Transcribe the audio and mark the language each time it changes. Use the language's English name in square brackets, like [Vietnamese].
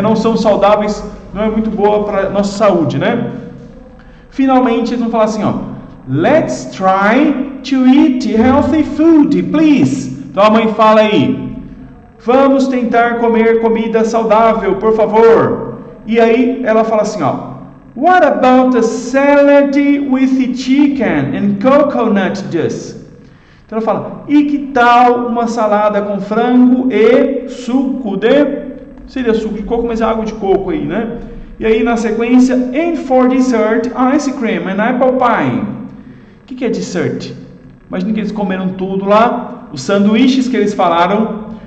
[Portuguese] Não são saudáveis, não é muito boa para nossa saúde, né? Finalmente, eles vão falar assim, ó, [English] let's try to eat healthy food, please. [Portuguese] Então, a mãe fala aí, vamos tentar comer comida saudável, por favor. E aí, ela fala assim, ó, [English] what about a salad with chicken and coconut juice? [Portuguese] Então, ela fala, e que tal uma salada com frango e suco de... Seria suco de coco, mas é água de coco aí, né? E aí, na sequência, [English] and for dessert, ice cream and apple pie. [Portuguese] O que, que é dessert? Imagina que eles comeram tudo lá, os sanduíches que eles falaram.